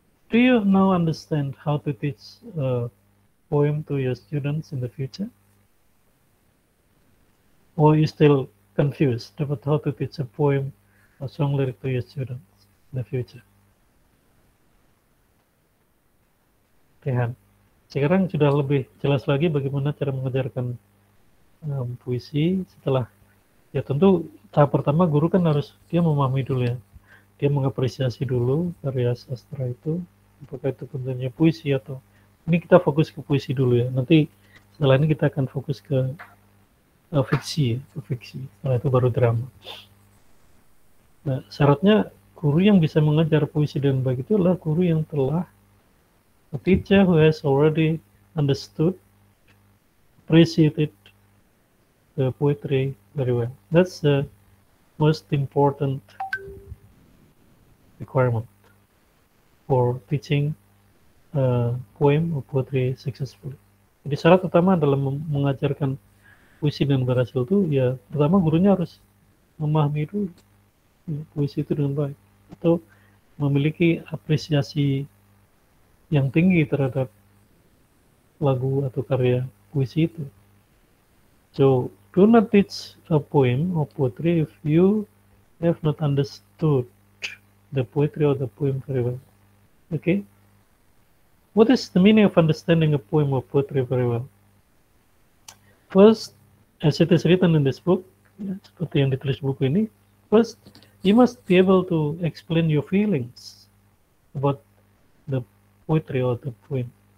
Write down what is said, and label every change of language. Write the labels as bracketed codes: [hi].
[en] Do you now understand how to teach a poem to your students in the future? Or are you still confused about how to teach a poem or song lyric to your students in the future? [id] Rehan, sekarang sudah lebih jelas lagi bagaimana cara mengajarkan puisi setelah, ya tentu tahap pertama guru kan harus dia memahami dulu ya. Dia mengapresiasi dulu karya sastra itu, apakah itu bentuknya puisi atau ini kita fokus ke puisi dulu ya. Nanti setelah ini kita akan fokus ke fiksi, ke fiksi. Setelah itu baru drama. Nah, syaratnya guru yang bisa mengajar puisi dengan baik itu adalah guru yang telah [en] a teacher who has already understood, appreciated the poetry very well. That's the most important requirement for teaching a poem or poetry successfully. [id] Jadi syarat utama dalam mengajarkan puisi dan berhasil itu, ya pertama gurunya harus memahami dulu puisi itu dengan baik atau memiliki apresiasi yang tinggi terhadap lagu atau karya puisi itu. [en] So, do not teach a poem or poetry if you have not understood the poetry or the poem very well. Okay? What is the meaning of understanding a poem or poetry very well? First, as it is written in this book, [id] seperti yang ditulis buku ini, [en] first, you must be able to explain your feelings about the poetry or the poem.